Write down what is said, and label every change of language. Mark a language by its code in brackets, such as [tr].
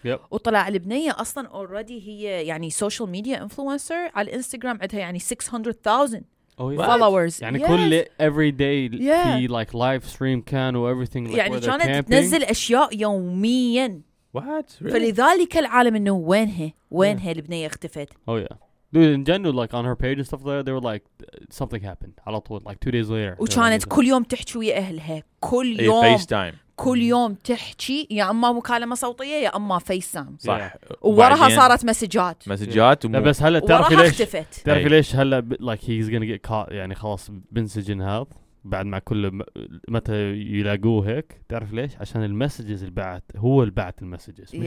[ar] وطلع البنية أصلا [en] already [ar] هي يعني [en] social media influencer [ar] على الانستغرام، عندها يعني 600,000 [en] followers. [ar] يعني كل [en] every day [ar] في [en] like live stream [ar] كان و [en] everything like [ar] يعني كانت تنزل أشياء يومياً. [en] What? Really? [ar] فلذلك العالم إنه وينها البنية اختفت. [en] Oh yeah. Dude, in general, like on her page and stuff like that, they were like, something happened. I don't know, like 2 days later. [ar] وكانت كل يوم تحكي ويا أهلها. كل يوم. [en] FaceTime. [ar] كل يوم تحكي يا أما مكالمة صوتية يا أما FaceTime. صح. ووراها صارت مسجات. مسجات. لا بس هلا تعرف ليش؟ تعرف ليش هلا [en] like he's gonna get caught [ar] يعني خلاص بنسجن هذا بعد ما كل متى يلاقوه هيك تعرف ليش؟ عشان المسجز اللي بعت هو اللي بعت المسجز مش